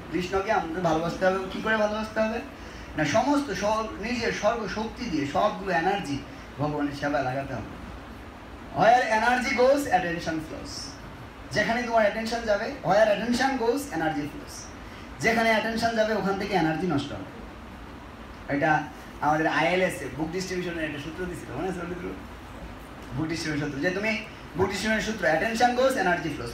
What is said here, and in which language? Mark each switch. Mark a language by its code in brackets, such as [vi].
[bn] কৃষ্ণকে আমাদের ভালোবাসতে হবে। কি করে ভালোবাসতে হবে? না, সমস্ত নিজের সর্বশক্তি দিয়ে সবগুলো এনার্জি ভগবানের সেবায় লাগাতে হবে। [en] Where energy goes, attention flows. [bn] যেখানে তোমার অ্যাটেনশন যাবে, [en] Where attention goes, energy flows. [bn] যেখানে অ্যাটেনশন যাবে ওখান থেকে এনার্জি নষ্ট হবে। এটা আমাদের ILS বুক ডিস্ট্রিবিউশনের একটা সূত্র দিয়েছিল, মনে আছে সূত্র? বুক ডিস্ট্রিবিউশন সূত্র, যে তুমি বুক ডিস্ট্রিবিউশনের সূত্র, [en] Attention goes, energy flows.